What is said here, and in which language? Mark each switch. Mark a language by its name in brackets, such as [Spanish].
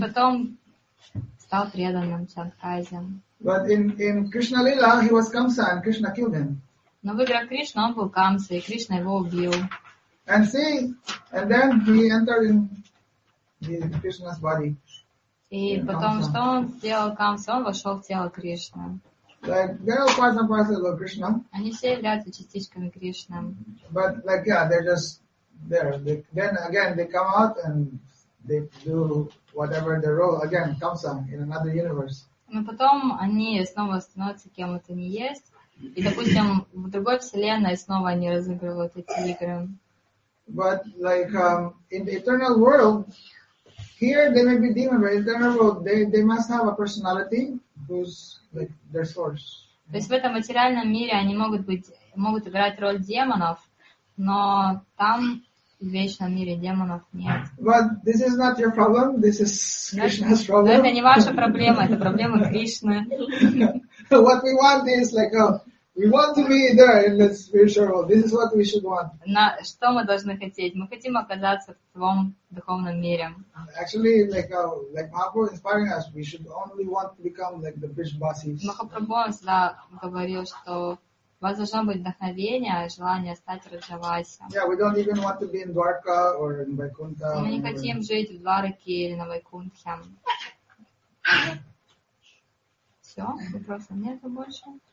[Russian] Потом стал преданным Чанкази. [English] But in Krishna Lila he was Kamsa and Krishna killed him. [Russian] Но в играх Кришна он был Камса, и Кришна его убил. [English] And see, and then he entered in Krishna's body. [Russian] И потом что он сделал Камса? Он вошел в тело Кришны. [English] Like, they're all parts and parcels of Krishna. [Russian] Они все являются частичками Кришны. [English] But, like, yeah, they're just there. Then again, they come out and they do whatever their role. Again, Kamsa in another universe. [Russian] Но потом они снова становятся кем-то, они есть. И, допустим, в другой вселенной снова они разыгрывают эти игры. [English] But, like, in the eternal world, here they may be demons, but in the eternal world, they must have a personality who's, like, their source. [Russian] То есть в этом материальном мире они могут играть роль демонов, но там в вечном мире демонов нет. [English] But this is not your problem. This is Krishna's problem. [Russian] Но это не ваша проблема, это проблема Кришны. [English] What we want is like, we want to be there in the spiritual world. This is what we should want. [Russian] Что мы должны хотеть? Мы хотим оказаться в твоем духовном мире. [English] Actually, like Mahaprabhu inspiring us, we should only want to become like the Vrishbasis. [Russian] Mahaprabhu всегда говорил, что у вас должно быть вдохновение, желание стать Раджаваси. [English] Yeah, we don't even want to be in Dwarka or in Vaikuntha. [Russian] Мы не хотим жить в Двараке или на Вайкунтхе. Все, вопросов нет больше.